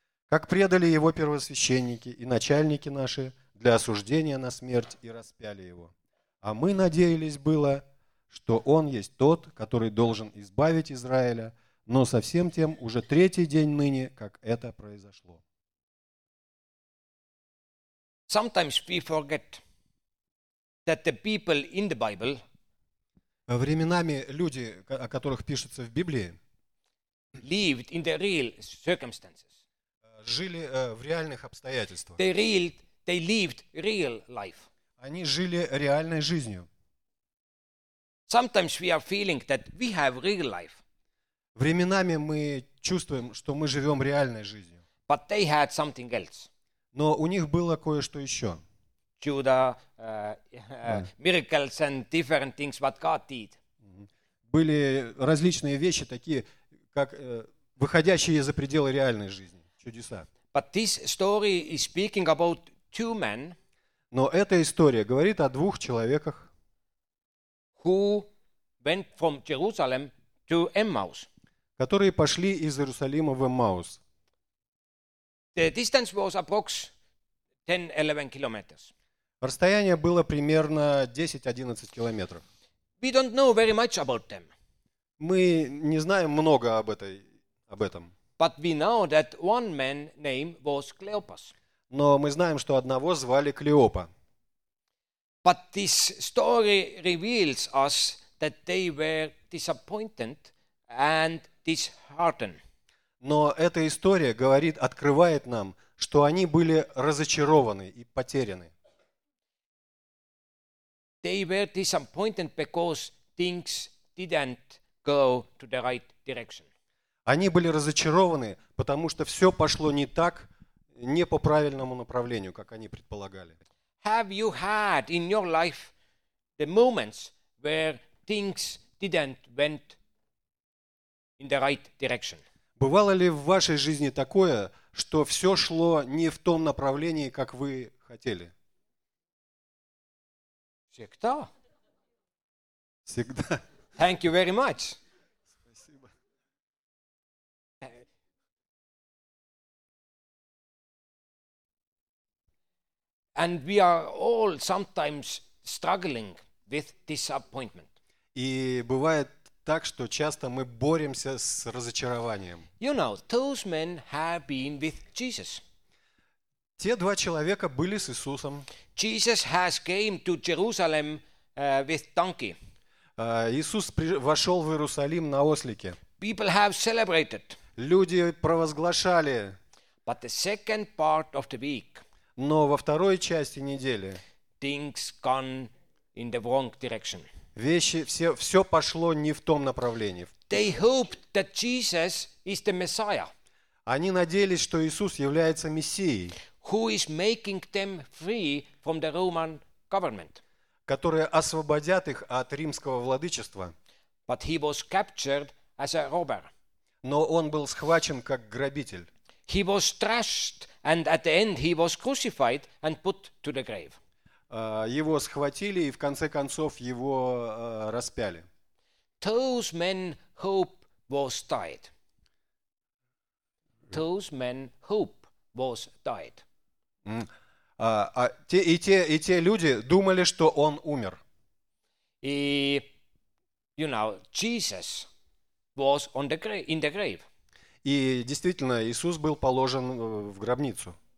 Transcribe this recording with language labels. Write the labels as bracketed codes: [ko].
[ru] Как предали его первосвященники и начальники наши для осуждения на смерть и распяли его? А мы надеялись было, что он есть тот, который должен избавить Израиля, но совсем тем уже третий день ныне, как это произошло». [en] Sometimes we forget that the people in the Bible, [ru] временами люди, о которых пишется в Библии, [en] lived in the real circumstances. [ru] Жили в реальных обстоятельствах. [en] They lived real life. [ru] Они жили реальной жизнью. [en] Sometimes we are feeling that we have real life. [ru] Временами мы чувствуем, что мы живем реальной жизнью. [en] But they had something else. [ru] Но у них было кое-что еще. Чудо, [en] miracles and different things what God did. [ru] Были различные вещи, такие как выходящие за пределы реальной жизни, чудеса. [en] But this story is speaking about two men, [ru] но эта история говорит о двух человеках, [en] who went from Jerusalem to Emmaus. [ru] Которые пошли из Иерусалима в Эммаус. [en] The distance was approximately 10-11 kilometers. [ru] Расстояние было примерно 10-11 километров. [en] We don't know very much about them. [ru] Мы не знаем много об этом. [en] But we know that one man name was Cleopas. [ru] Но мы знаем, что одного звали Клеопа. [en] But this story reveals us that they were disappointed and disheartened. [ru] Но эта история говорит, открывает нам, что они были разочарованы и потеряны. [en] They were disappointed because things didn't go to the right direction. [ru] Они были разочарованы, потому что все пошло не так, не по правильному направлению, как они предполагали. [en] Have you had in your life the moments where things didn't went in the right direction? [ru] Бывало ли в вашей жизни такое, что все шло не в том направлении, как вы хотели? Всегда. Всегда. [en] Thank you very much. [ru] Спасибо. [en] And we are all sometimes struggling with disappointment. [ru] И бывает так, что часто мы боремся с разочарованием. [en] You know, those men have been with Jesus. [ru] Те два человека были с Иисусом. [en] Jesus has came to Jerusalem with donkey. [ru] Иисус вошел в Иерусалим на ослике. [en] People have celebrated. [ru] Люди провозглашали. [en] But the second part of the week. [ru] Но во второй части недели. [en] Things gone in the wrong direction. [ru] Вещи, все пошло не в том направлении. [en] They hoped that Jesus is the Messiah. [ru] Они надеялись, что Иисус является Мессией. [en] Who is making them free from the Roman government? [ru] Которые освободят их от римского владычества. [en] But he was captured as a robber. [ru] Но он был схвачен как грабитель. [en] He was thrashed, and at the end he was crucified and put to the grave. [ru] Его схватили и в конце концов его распяли. [en] Those men hope was died. Those men hope was died. [ru] И те люди думали, что он умер. [en] И, you know, Jesus was on the grave, in the grave. [ru] И действительно, Иисус был положен в гробницу.